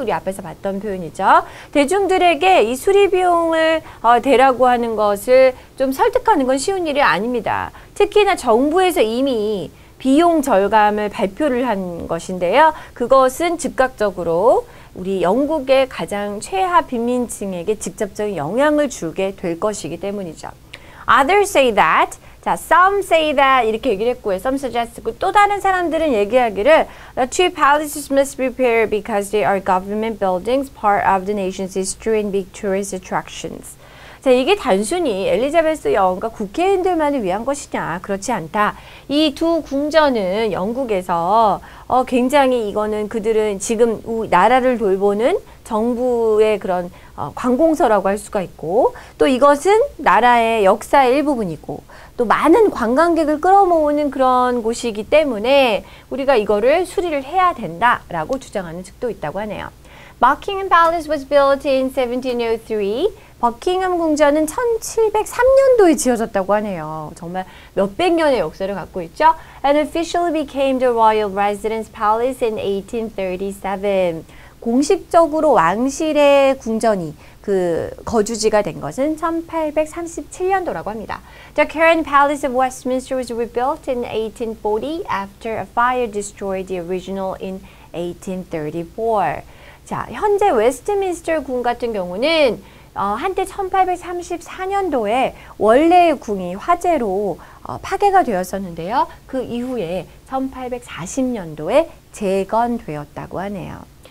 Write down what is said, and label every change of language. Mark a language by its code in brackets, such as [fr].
[ko] 우리 앞에서 봤던 표현이죠. 대중들에게 이 수리비용을 대라고 하는 것을 좀 설득하는 건 쉬운 일이 아닙니다. 특히나 정부에서 이미 비용 절감을 발표를 한 것인데요. 그것은 즉각적으로 우리 영국의 가장 최하 빈민층에게 직접적인 영향을 주게 될 것이기 때문이죠. [en] Others say that, [ko] 자, [en] some say that [ko] 이렇게 얘기를 했고요. [en] Some suggest고 [ko] 또 다른 사람들은 얘기하기를 [en] The two palaces must be repaired because they are government buildings, part of the nation's history and big tourist attractions. [ko] 자, 이게 단순히 엘리자베스 여왕과 국회의원들만을 위한 것이냐? 그렇지 않다. 이 두 궁전은 영국에서 굉장히 이거는 그들은 지금 나라를 돌보는 정부의 그런 관공서라고 할 수가 있고 또 이것은 나라의 역사의 일부분이고 또 많은 관광객을 끌어모으는 그런 곳이기 때문에 우리가 이거를 수리를 해야 된다라고 주장하는 측도 있다고 하네요. [en] Buckingham Palace was built in 1703. [ko] 버킹엄 궁전은 1703년도에 지어졌다고 하네요. 정말 몇백 년의 역사를 갖고 있죠. [en] And officially became the Royal Residence Palace in 1837. [ko] 공식적으로 왕실의 궁전이 그 거주지가 된 것은 1837년도라고 합니다. [en] The current Palace of Westminster was rebuilt in 1840 after a fire destroyed the original in 1834. [ko] 자, 현재 웨스트민스터 궁 같은 경우는 한때 1834년도에 원래의 궁이 화재로 파괴가 되었었는데요. 그 이후에 1840년도에 재건되었다고 하네요.